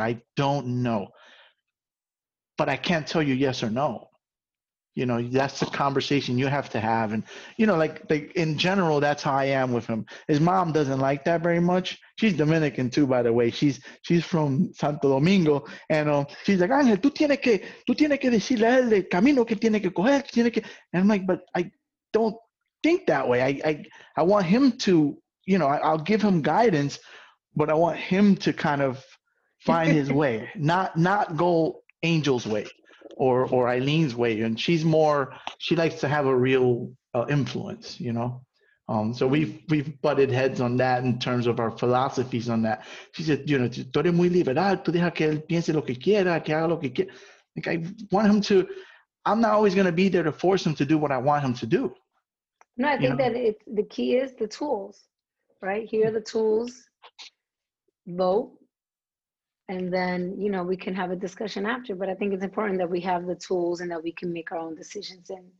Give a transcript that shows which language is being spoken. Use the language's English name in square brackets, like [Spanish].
[English] I don't know. But I can't tell you yes or no. You know, that's the conversation you have to have. And, you know, like in general, that's how I am with him. His mom doesn't like that very much. She's Dominican too, by the way. She's from Santo Domingo. And she's like, [Spanish] Angel, tú tienes que decirle el camino que tiene que coger. [English] And I'm like, but I don't think that way. I want him to, you know, I'll give him guidance, but I want him to kind of find his way, not go Angel's way or Eileen's way. And she's more, she likes to have a real influence, you know? So we've butted heads on that in terms of our philosophies on that. She said, you know, [Spanish] tú eres muy liberal, tú deja que él piense lo que quiera, que haga lo que quiera. [English] Like, I want him to, I'm not always going to be there to force him to do what I want him to do. No, I think that it's, the key is the tools, right? Here are the tools, vote, and then, you know, we can have a discussion after. But I think it's important that we have the tools and that we can make our own decisions.